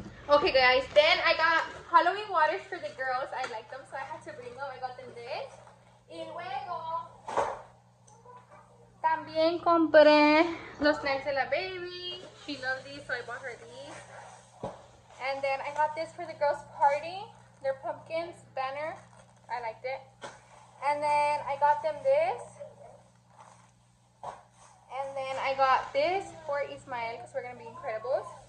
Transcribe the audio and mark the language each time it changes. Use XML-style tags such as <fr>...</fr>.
<en>Okay guys, then I got Halloween waters for the girls. I like them, so I had to bring them. I got them this.</en> <es>Y luego también compré los snacks de la baby.</es> <en>She loves these, so I bought her these. And then I got this for the girls party, their pumpkins banner. I liked it. And then I got them this. And then I got this for Ismael because we're going to be Incredibles.</en>